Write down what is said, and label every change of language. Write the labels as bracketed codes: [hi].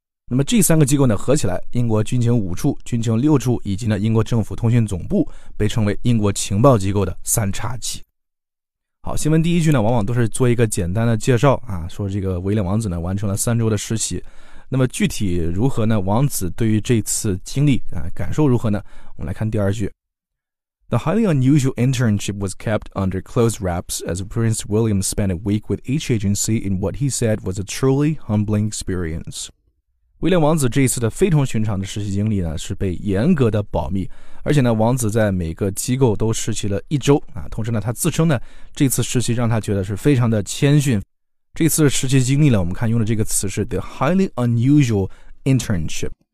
[zh] 那么这三个机构呢合起来，英国军情五处、军情六处以及呢英国政府通讯总部，被称为英国情报机构的三叉戟。好，新闻第一句呢往往都是做一个简单的介绍啊，说这个威廉王子呢完成了三周的实习。那么具体如何呢？王子对于这次经历啊感受如何呢？我们来看第二句。 [en] The highly unusual internship was kept under close wraps as Prince William spent a week with each agency in what he said was a truly humbling experience. [zh] 威廉王子这一次的非同寻常的实习经历呢是被严格的保密，而且呢王子在每个机构都实习了一周啊，同时呢他自称呢这次实习让他觉得是非常的谦逊。这次实习经历呢，我们看用的这个词是 [en] the highly unusual internship。